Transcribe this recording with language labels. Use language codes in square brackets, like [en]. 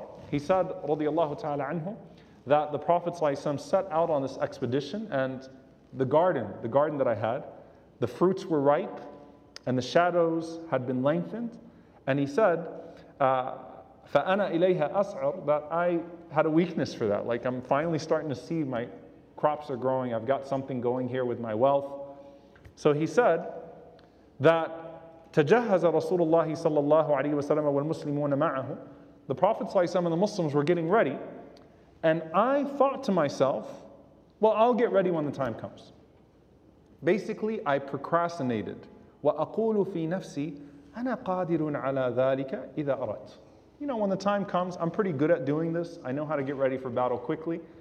[en] He said, رضي الله تعالى عنه, that the Prophet ﷺ set out on this expedition, and the garden that I had, the fruits were ripe, and the shadows had been lengthened. And he said, [ar] فَأَنَا إِلَيْهَا أَسْعَرُ, [en] that I had a weakness for that. Like I'm finally starting to see my crops are growing, I've got something going here with my wealth. So he said that [ar] تَجَهَّزَ رَسُولُ اللَّهِ صَلَّى اللَّهُ عَلَيْهِ وَسَلَّمَ وَالْمُسْلِمُونَ مَعَهُ. [en] The Prophet ﷺ and the Muslims were getting ready, and I thought to myself, well, I'll get ready when the time comes. Basically, I procrastinated. [ar] وَأَقُولُ فِي نَفْسِي أَنَا قَادِرٌ عَلَى ذَٰلِكَ إِذَا أَرَدْ. [en] You know, when the time comes, I'm pretty good at doing this. I know how to get ready for battle quickly.